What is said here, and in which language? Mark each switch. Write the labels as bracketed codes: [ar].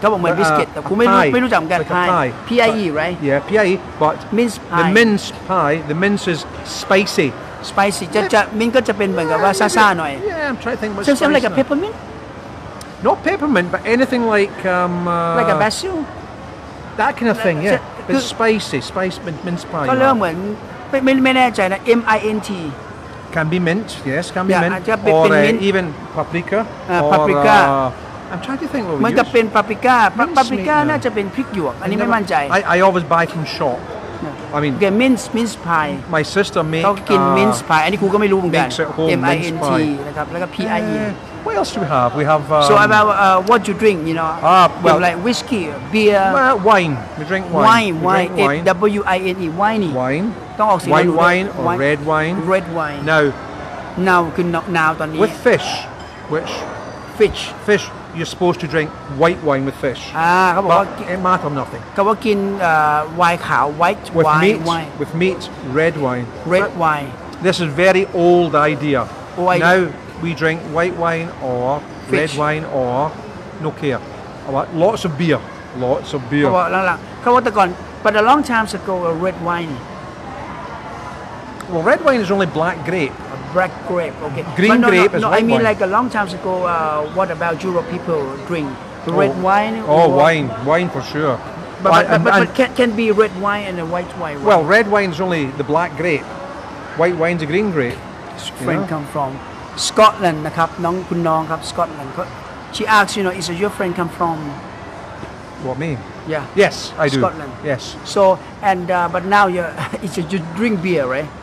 [th] ก็บอกเหมือน biscuit. [en] A pie. [th] ไม่รู้จักกัน [en] pie. P-I-E, right? Yeah, P-I-E. But mince pie. The mince pie. The mince is spicy. Spicy. [th] จะมิ้นก็จะเป็นเหมือนกับว่าซ่าๆหน่อย [en] Yeah, I'm trying to think. Same spice like a peppermint? Not peppermint, but anything like like a basil. That kind of thing. Yeah. It's spicy. Spice mince pie. [th] ก็เริ่มเหมือนไม่แน่ใจนะ M-I-N-T. [en] Can be mint, yes. Can be mint, or even paprika. Paprika. I'm trying to think what we [th] use. มันจะเป็น paprika. Paprika น่าจะเป็นพริกหยวกอันนี้ไม่มั่นใจ [en] I always buy from shop. I mean, okay, mince pie. My sister makes. [th] เขากิน mince pie. อันนี้ครูก็ไม่รู้เหมือนกัน M-I-N-T นะครับแล้วก็ P-I-E. [en] What else do we have? We have. So about what you drink, you know? Well, like whiskey, beer. Wine. We drink wine. Wine. W-I-N-E. Wine. White wine, red wine? Red wine. Now, [th] คือ now ตอนนี้ [en] With fish, which? Fish. Fish, you're supposed to drink white wine with fish. [th] เขาบอกว่า [en] It matters nothing. [th] เขาบอกว่ากิน white ขาว white [en] with wine. With meat, red wine. Red wine. This is very old idea. Oh, now, we drink white wine or fish. Red wine or, no care. About lots of beer. Lots of beer. [th] เขาบอกแต่ก่อน [en] But a long time ago, a red wine. Well, red wine is only black grape. Black grape, okay. Green grape is white wine. I mean like a long time ago, what about Europe people drink? Red wine? Oh, wine. Wine for sure. But can be red wine and a white wine, right? Well, red wine is only the black grape. White wine is a green grape. Friend come from Scotland, [th] นะครับ น้องคุณน้องครับ [en] Scotland. She asks, you know, is your friend come from... What me? Yeah. Yes, I do. Scotland. Yes. So and but now you drink beer, right?